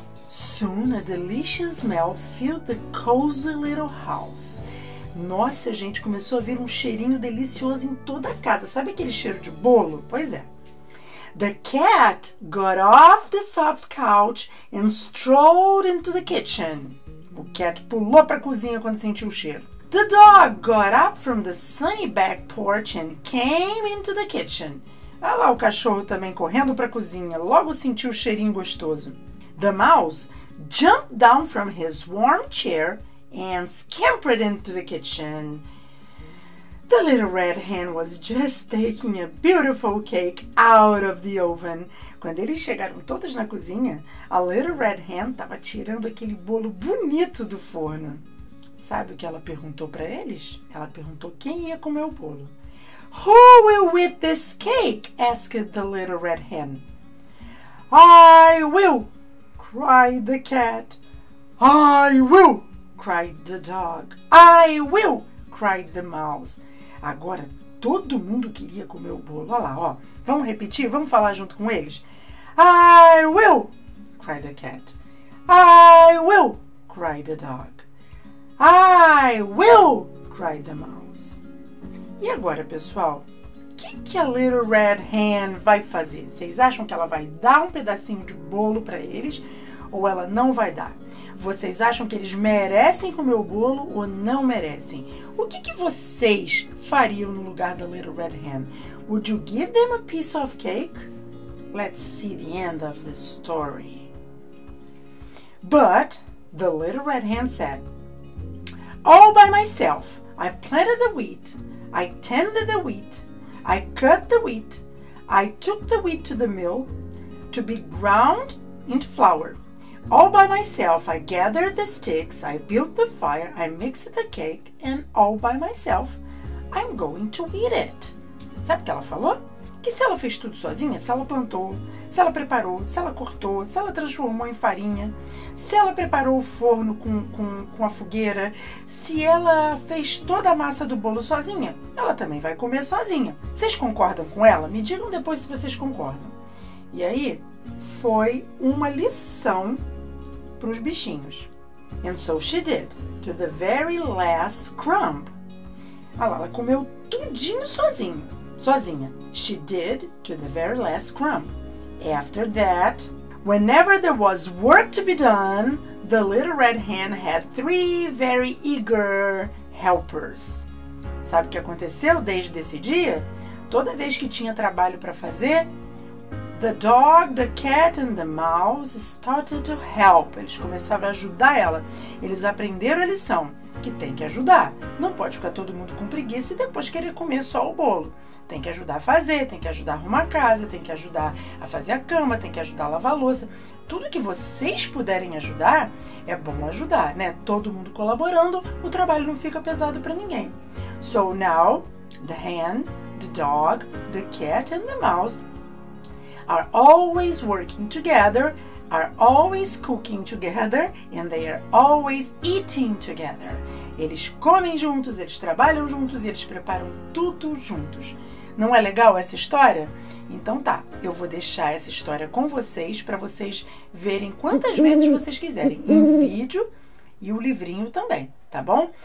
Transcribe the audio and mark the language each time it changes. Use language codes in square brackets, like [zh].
[en] Soon a delicious smell filled the cozy little house. [pt] Nossa, gente, começou a vir um cheirinho delicioso em toda a casa. Sabe aquele cheiro de bolo? Pois é. [en] The cat got off the soft couch and strolled into the kitchen. [pt] O cat pulou para a cozinha quando sentiu o cheiro. [en] The dog got up from the sunny back porch and came into the kitchen. [pt] Olha lá o cachorro também correndo para a cozinha. Logo sentiu o cheirinho gostoso. [en] The mouse jumped down from his warm chair and scampered into the kitchen. The little red hen was just taking a beautiful cake out of the oven. [pt] Quando eles chegaram todos na cozinha, a little red hen estava tirando aquele bolo bonito do forno. Sabe o que ela perguntou para eles? Ela perguntou quem ia comer o bolo. [en] Who will eat this cake? Asked the little red hen. I will, cried the cat. I will, cried the dog. I will, cried the mouse. [pt] Agora todo mundo queria comer o bolo. Olha lá, ó. Vamos repetir? Vamos falar junto com eles? [en] I will, cried the cat. I will, cried the dog. I will, cried the mouse. [pt] E agora, pessoal, o que a Little Red Hen vai fazer? Vocês acham que ela vai dar um pedacinho de bolo para eles ou ela não vai dar? Vocês acham que eles merecem comer o bolo ou não merecem? O que vocês fariam no lugar da Little Red Hen? [en] Would you give them a piece of cake? Let's see the end of the story. But the Little Red Hen said, All by myself, I planted the wheat, I tended the wheat, I cut the wheat, I took the wheat to the mill to be ground into flour. All by myself, I gathered the sticks, I built the fire, I mixed the cake, and all by myself, I'm going to eat it. [pt] Sabe o que ela falou? Que se ela fez tudo sozinha, se ela plantou, se ela preparou, se ela cortou, se ela transformou em farinha, se ela preparou o forno com a fogueira, se ela fez toda a massa do bolo sozinha, ela também vai comer sozinha. Vocês concordam com ela? Me digam depois se vocês concordam. E aí, foi uma lição para os bichinhos. [en] And so she did, to the very last crumb. [pt] Olha lá, ela comeu tudinho sozinha. [en] She did, to the very last crumb. After that, whenever there was work to be done, the little red hen had three very eager helpers. [pt] Sabe o que aconteceu desde esse dia? Toda vez que tinha trabalho para fazer, [en] the dog, the cat and the mouse started to help. [pt] Eles começaram a ajudar ela. Eles aprenderam a lição. que tem que ajudar. Não pode ficar todo mundo com preguiça e depois querer comer só o bolo. Tem que ajudar a fazer, tem que ajudar a arrumar a casa, tem que ajudar a fazer a cama, tem que ajudar a lavar a louça. Tudo que vocês puderem ajudar, é bom ajudar, né? Todo mundo colaborando, o trabalho não fica pesado para ninguém. [en] So now, the hen, the dog, the cat and the mouse are always working together, are always cooking together, and they are always eating together. [pt] Eles comem juntos, eles trabalham juntos e eles preparam tudo juntos. Não é legal essa história? Então tá, eu vou deixar essa história com vocês para vocês verem quantas vezes vocês quiserem. Em vídeo e o livrinho também, tá bom?